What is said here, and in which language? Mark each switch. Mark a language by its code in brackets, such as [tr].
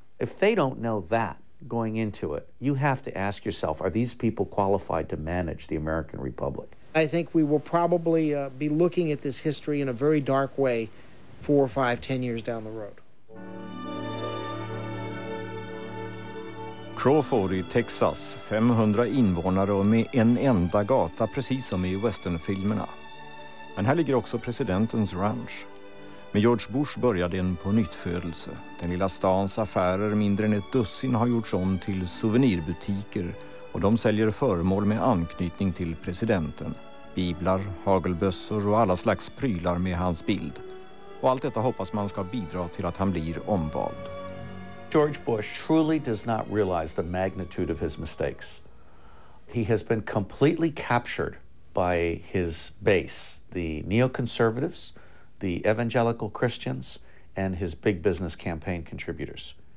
[en] If they don't know that going into it, you have to ask yourself, are these people qualified to manage the American Republic? I think we will probably be looking at this history in a very dark way 4, 5, 10 years down the road. [sv] Crawford i Texas, 500 invånare och med en enda gata, precis som i westernfilmerna. Men här ligger också presidentens ranch. Med George Bush började en på nytt födelse. Den lilla stans affärer, mindre än ett dussin, har gjorts om till souvenirbutiker, och de säljer föremål med anknytning till presidenten. Biblar, hagelbössor och alla slags prylar med hans bild. Och allt detta hoppas man ska bidra till att han blir omvald. [en] George Bush truly does not realize the magnitude of his mistakes. He has been completely captured by his base, the neoconservatives, the evangelical Christians, and his big business campaign contributors.